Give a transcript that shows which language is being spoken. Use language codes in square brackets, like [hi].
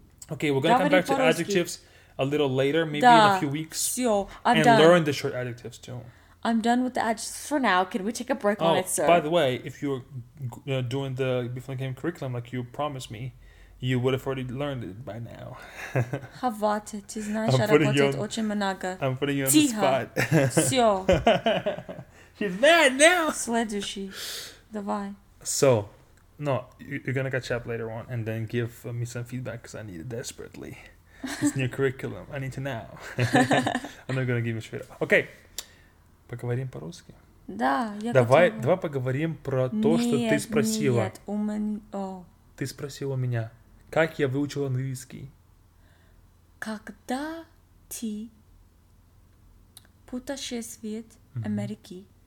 [en] Okay, we're going to come back to adjectives a little later, maybe in a few weeks. [ru] Все, [en] I'm done. And learn the short adjectives too. I'm done with the adjectives for now. Can we take a break on it, sir? By the way, if you're doing the Before I Came curriculum like you promised me, you would have already learned it by now. [ru] Хватит, ты знаешь, я работает очень много. [en] I'm putting you on the spot. [ru] Все. [en] She's mad now. [ru] Следующий. Давай. [en] So, no, you're going to catch up later on and then give me some feedback because I need it desperately. It's new curriculum. I need to know. I'm not going to give you straight up. [ru] Okay. Поговорим по-русски. Да, Давай поговорим про то, что ты спросила. Нет, у меня... Ты спросила меня. Как я выучил английский? Когда ты путешествует Америки?